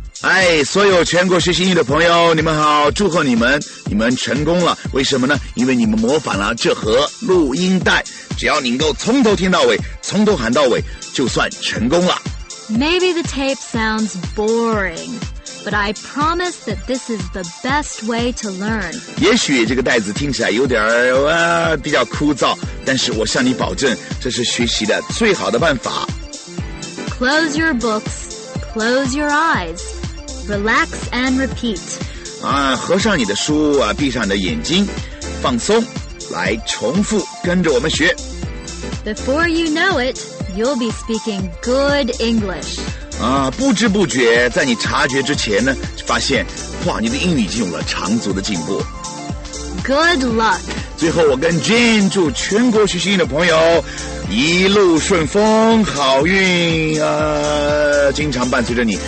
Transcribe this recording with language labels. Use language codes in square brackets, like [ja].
[zh] 哎，所有全国学习英语的朋友，你们好，祝贺你们，你们成功了。为什么呢？因为你们模仿了这盒录音带，只要你能够从头听到尾，从头喊到尾，就算成功了。 [en] Maybe the tape sounds boring, but I promise that this is the best way to learn. [zh] 也许这个带子听起来有点比较枯燥。但是我向你保证，这是学习的最好的办法。 [en] Close your books, close your eyes. Relax and repeat. [zh] 啊，合上你的书啊，闭上你的眼睛，放松，来重复，跟着我们学。 [en] Before you know it, you'll be speaking good English. [zh] 啊，不知不觉，在你察觉之前呢，发现，哇，你的英语已经有了长足的进步。 [en] Good luck. [zh] 最后，我跟 Jane 祝全国学习英语的朋友一路顺风，好运啊，经常伴随着你。